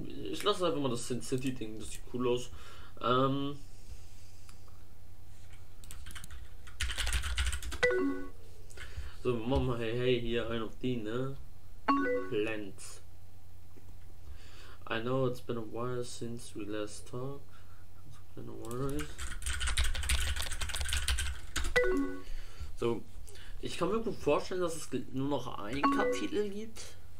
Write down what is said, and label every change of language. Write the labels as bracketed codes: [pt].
[de] Ich lasse einfach mal das Sin City-Ding, das sieht cool aus. So, Mama, hey, hier, ein auf die, ne? Lenz. [en] I know it's been a while since we last talked. It's been a while. [de] So, ich kann mir gut vorstellen, dass es nur noch ein Kapitel gibt.